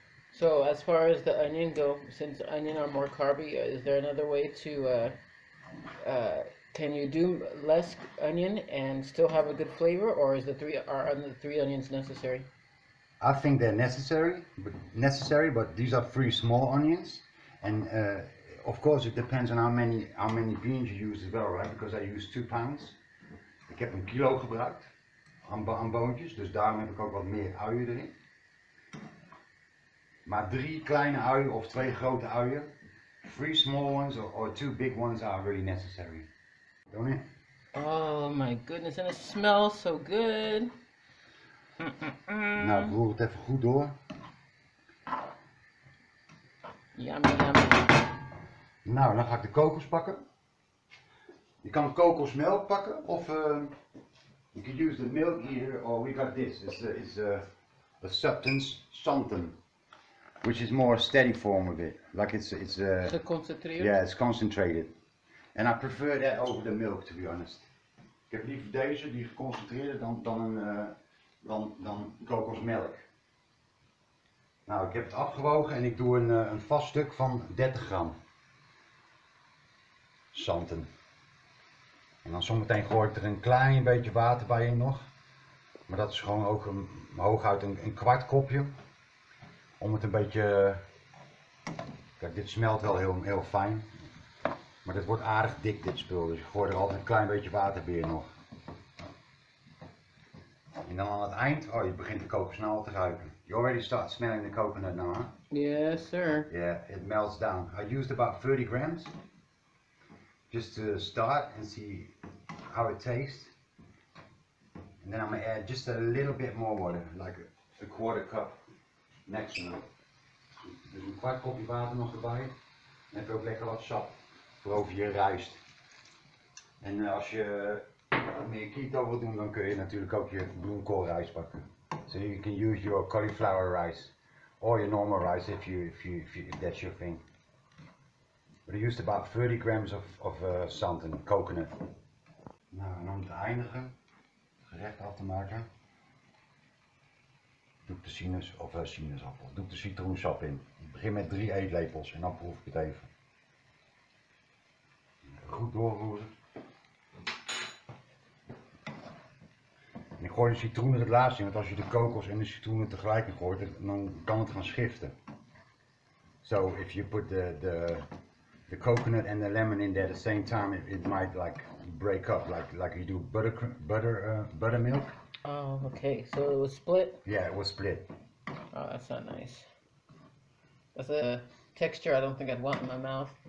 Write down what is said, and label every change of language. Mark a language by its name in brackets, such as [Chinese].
[English] So as far as the onion go, since onion are more carby, is there another way to can you do less onion and still have a good flavor, or is are the three onions necessary? I think they're necessary, but these are 3 small onions, and of course it depends on how many beans you use as well, right? Because I use 2 pounds. [Dutch] Ik heb 1 kilo gebruikt aan boontjes, dus daarom heb ik ook wat meer uien erin. Maar 3 kleine uien of 2 grote uien, [English] 3 small ones or 2 big ones are really necessary, don't you? Oh my goodness, and it smells so good. [Dutch] Nou, ik roer het even goed door. [English] Yummy, yummy. [Dutch] Nou, dan ga ik de kokos pakken. Je kan kokosmelk pakken of [English] you can use the milk here, or we got this. It's a substance, santan, which is more a steady form of it. Like it's concentrated. Yeah, it's concentrated. And I prefer that over the milk, to be honest. [Dutch] Ik heb liever deze, die geconcentreerde, dan kokosmelk. Nou, ik heb het afgewogen en ik doe een vast stuk van 30 gram santen. En dan zometeen gooi ik er een klein beetje water bij in nog. Maar dat is gewoon ook hooguit een kwart kopje. Om het een beetje... Kijk, dit smelt wel heel fijn. Maar dit wordt aardig dik, dit spul. Dus ik gooi er altijd een klein beetje water bij in nog. En dan aan het eind, oh, je begint de kokos nou al te ruiken. [English] You already start smelling the coconut now, huh? Yes, sir. Yeah, it melts down. I used about 30 grams. Just to start and see how it tastes. And then I'm going to add just a little bit more water. Like a quarter cup maximum. [Dutch] Dus een kwart kopje water nog erbij. Dan heb je ook lekker wat sap voor over je rijst. En als je meer keto wil doen, dan kun je natuurlijk ook je bloemkoolrijst pakken. [English] So you can use your cauliflower rice or your normal rice if that's your thing. But you used about 30 grams of sand and coconut. [Dutch] Nou, en om te eindigen, het gerecht af te maken, doe ik de sinaasappel, doe ik de citroensap in. Ik begin met 3 eetlepels en dan proef ik het even. Goed doorroeren. En ik gooi de citroenen het laatst in, want als je de kokos en de citroenen tegelijk in gooit, dan kan het gaan schiften. [English] So, if you put the coconut and the lemon in there at the same time, it might like break up, like you do buttermilk. Oh, okay, so it was split? Yeah, it was split. Oh, that's not nice. That's a texture I don't think I'd want in my mouth.